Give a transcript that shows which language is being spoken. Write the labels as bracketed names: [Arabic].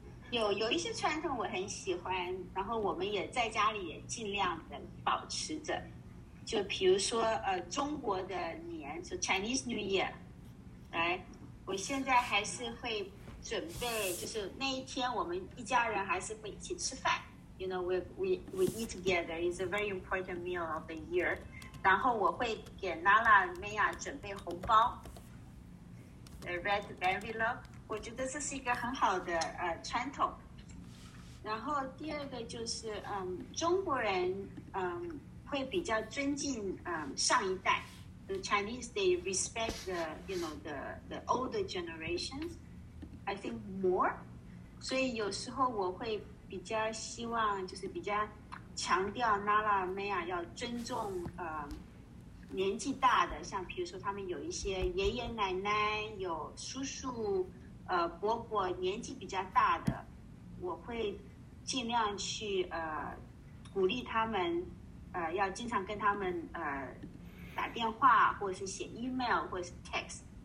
[Chinese] 有一些传统我很喜欢，然后我们也在家里也尽量的保持着。就比如说，中国的年，就 [English] Chinese New Year, [Chinese] 来，我现在还是会准备，就是那一天我们一家人还是会一起吃饭。 [English] You know, we eat together. It's a very important meal of the year. [Chinese] 然后我会给 Nala Maya 准备红包 ， [English] a red envelope. [Chinese] 我觉得这是一个很好的传统。然后第二个就是中国人会比较尊敬上一代 ， [English] the Chinese they respect the you know the older generations. I think more. [Chinese] 所以有时候我会。比较希望就是比较强调 Nala Maya 要尊重年纪大的，像比如说他们有一些爷爷奶奶，有叔叔伯伯，年纪比较大的，我会尽量去鼓励他们要经常跟他们打电话，或者是写 email 或者是 text,